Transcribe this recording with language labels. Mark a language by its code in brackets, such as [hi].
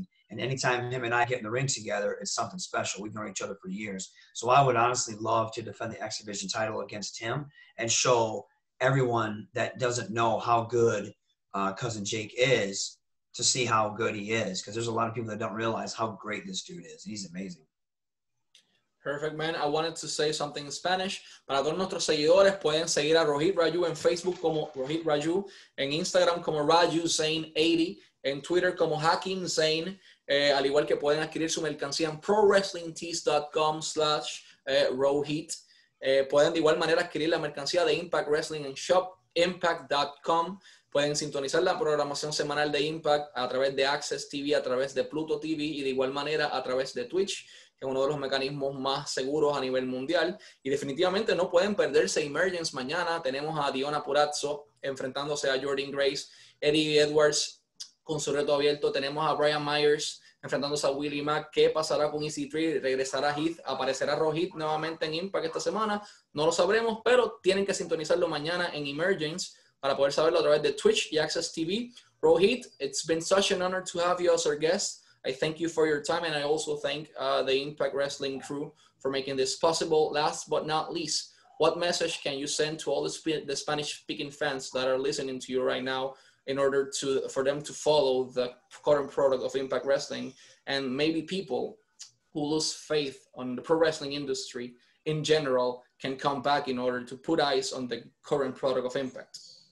[en] And anytime him and I get in the ring together, it's something special. We've known each other for years. So I would honestly love to defend the exhibition title against him and show everyone that doesn't know how good Cousin Jake is to see how good he is. Because there's a lot of people that don't realize how great this dude is. He's amazing. Perfect, man. I wanted to say something in Spanish. [es] Para todos nuestros seguidores, pueden seguir a Rohit Raju en Facebook como Rohit Raju, en Instagram como RajuZane80, en Twitter como HakimZane, al igual que pueden adquirir su mercancía en prowrestlingtees.com/Rohit. Pueden de igual manera adquirir la mercancía de Impact Wrestling en shopimpact.com. Pueden sintonizar la programación semanal de Impact a través de Access TV, a través de Pluto TV y de igual manera a través de Twitch, que es uno de los mecanismos más seguros a nivel mundial. Y definitivamente no pueden perderse Emergence mañana. Tenemos a Diona Purazzo enfrentándose a Jordynne Grace. Eddie Edwards con su reto abierto. Tenemos a Brian Myers enfrentándose a Willie Mack. ¿Qué pasará con EC3? ¿Regresará Heath? ¿Aparecerá Rohit nuevamente en Impact esta semana? No lo sabremos, pero tienen que sintonizarlo mañana en Emergence para poder saberlo a través de Twitch y Access TV. [en] Rohit, it's been such an honor to have you as our guest. I thank you for your time, and I also thank the Impact Wrestling crew for making this possible. Last but not least, what message can you send to all the Spanish-speaking fans that are listening to you right now in order for them to follow the current product of Impact Wrestling, and maybe people who lose faith on the pro wrestling industry in general can come back in order to put eyes on the current product of Impact?